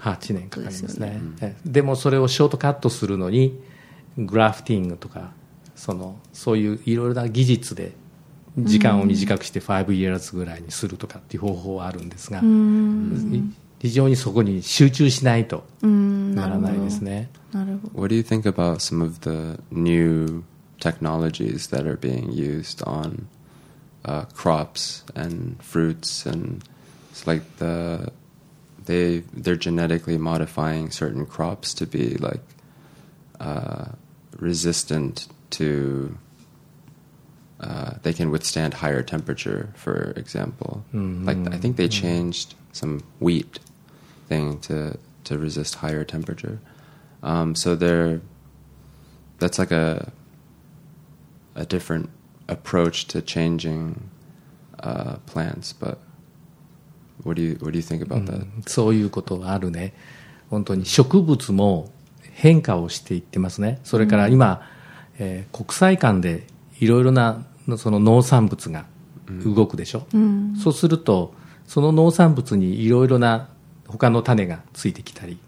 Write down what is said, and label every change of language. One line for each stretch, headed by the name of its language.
Japanese: 8年かかりますね、うん、でもそれをショートカットするのにグラフティングとか、そういういろいろな技術で時間を短くして
English: 5 years
Japanese: ぐらいにするとかっていう方法はあるんですが、うん、非常にそこに集中しないとならないですね。
English: What do you think about some of the new technologies that are being used on、crops and fruits and it's like the they're genetically modifying certain crops to be like、resistant to、they can withstand higher temperature, for example.、 Mm-hmm. Like I think they changed some wheat thing to resist higher temperature.、so they're that's like a different approach to changing、plants, but. What do you think about that?
Japanese: そういうことがあるね。本当に植物も変化をしていってますね。それから今、うん、国際間でいろいろなその農産物が動くでしょ、うん、そうするとその農産物にいろいろな他の種がついてきたり、